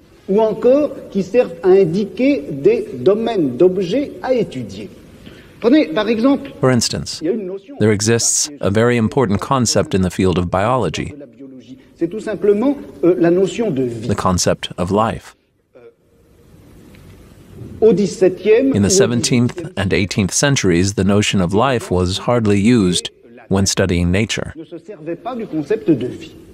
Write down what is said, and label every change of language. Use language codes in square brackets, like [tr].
[fr] Ou encore qui servent à indiquer des domaines d'objets à étudier. Prenez par exemple. [en] For instance, there exists a very important concept in the field of biology. [fr] C'est tout simplement la notion de vie. [en] The concept of life. [fr] Au 17e. [en] In the 17th and 18th centuries, the notion of life was hardly used when studying nature. [fr] Ne se servait pas du concept de vie.